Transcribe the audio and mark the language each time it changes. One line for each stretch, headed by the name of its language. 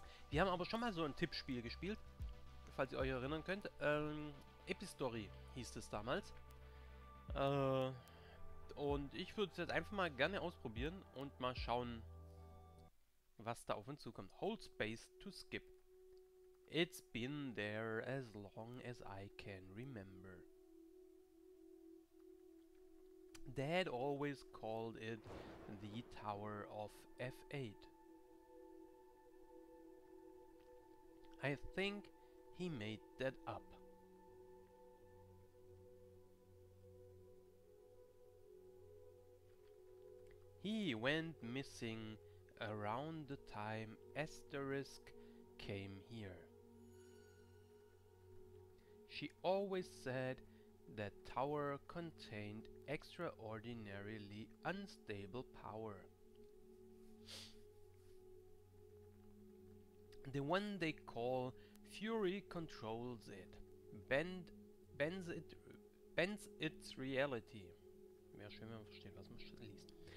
German: Wir haben aber schon mal so ein Tippspiel gespielt, falls ihr euch erinnern könnt. Epistory hieß es damals. Und ich würde es jetzt einfach mal gerne ausprobieren und mal schauen, was da auf uns zukommt.
English: Hold space to skip. It's been there as long as I can remember. Dad always called it the Tower of F8. I think he made that up. He went missing around the time Asterisk came here. She always said that tower contained extraordinarily unstable power. The one they call Fury controls it, bends its reality.
German: Wäre schön, wenn man versteht, was man liest.